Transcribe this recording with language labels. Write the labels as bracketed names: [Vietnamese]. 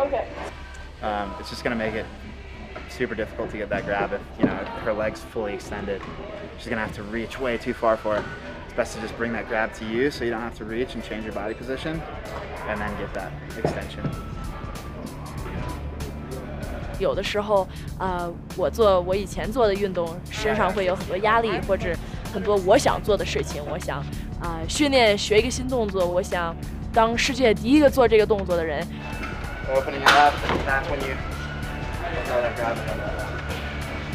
[English] Okay. It's just going to make it super difficult to get that grab if, you know, her leg's fully extended. She's going to have to reach way too far for it. It's best to just bring that grab to you so you don't have to reach and change your body position and then get that extension. [Chinese] 有的时候，我做我以前做的运动，身上会有很多压力，或者很多我想做的事情。我想，训练学一个新动作，我想当世界第一个做这个动作的人。 [English] Opening up, and that's when you grab it.